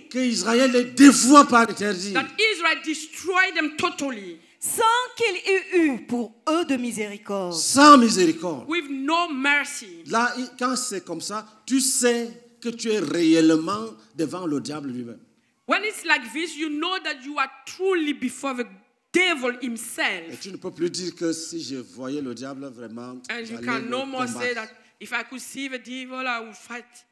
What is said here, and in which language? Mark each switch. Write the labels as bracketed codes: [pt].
[fr] Que Israël les dévoie par interdit. [en] That Israel destroyed them totally. [fr] Sans qu'il y eut pour eux de miséricorde. Sans miséricorde. [en] With no mercy. [fr] Là, quand c'est comme ça, tu sais que tu es réellement devant le diable lui-même. [en] When it's like this, you know that you are truly before the devil himself. [fr] Et tu ne peux plus dire que si je voyais le diable vraiment, [en] and you can no more say that if I could see the devil, I would fight.